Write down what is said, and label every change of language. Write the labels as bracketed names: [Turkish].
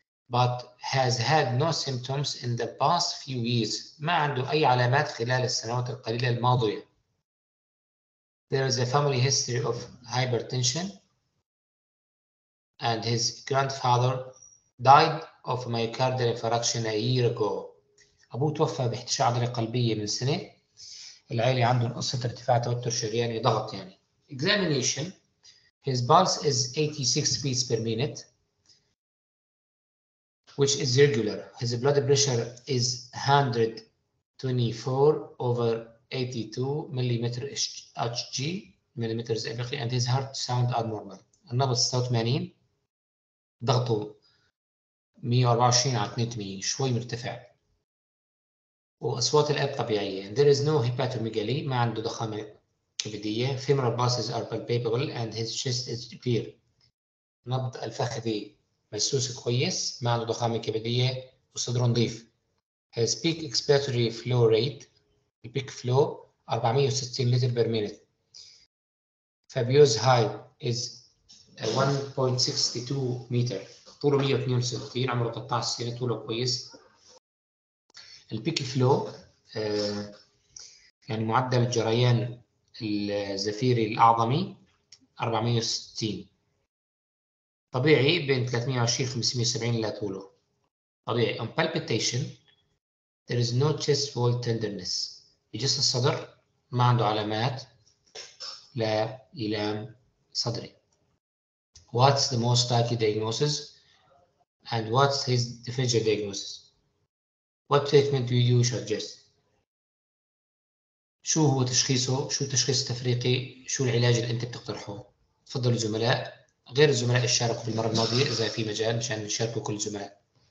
[English] But has had no symptoms in the past few years. [Arabic] ما عنده أي علامات خلال السنوات القليلة الماضية. [English] There is a family history of hypertension and his grandfather died of myocardial infarction a year ago. [Arabic] أبوه توفى باحتشاء عضلي قلبية من سنة. العائلة عندهم قصة ارتفاع توتر شرياني ضغط يعني. [English] Examination. His pulse is 86 beats per minute, which is regular. His blood pressure is 124/82 mmHg, and his heart sound are normal. [Arabic] النبض 86، ضغطه 124/82، شوي مرتفع. وأصوات القلب طبيعية. [English] There is no hepatomegaly, [Arabic] ما عنده ضخامة كبدية. [English] Femoral pulses are palpable and his chest is clear. [Arabic] نبض الفخذي مسوس كويس، ما عنده ضخامة كبدية وصدره نظيف. [English] His peak expiratory flow rate, the peak flow, 460 liter per minute. Fabio's height is 1.62 meter. [Arabic] طوله 162، عمره 13 سنة، طوله كويس. البيك فلو يعني معدل الجريان الزفيري الأعظمي 460 طبيعي، بين 320-570 لطوله طبيعي. [English] On palpitation there is no chest wall tenderness. [Arabic] يجس الصدر ما عنده علامات لا إلام صدري. [English] What's the most likely diagnosis and what's his differential diagnosis? What treatment do you suggest? [Arabic] شو هو تشخيصه؟ شو التشخيص التفريقي؟ شو العلاج اللي انت بتقترحه؟ تفضل الزملاء، غير الزملاء اللي شاركوا بالمرة الماضية إذا في مجال مشان نشاركوا كل الزملاء.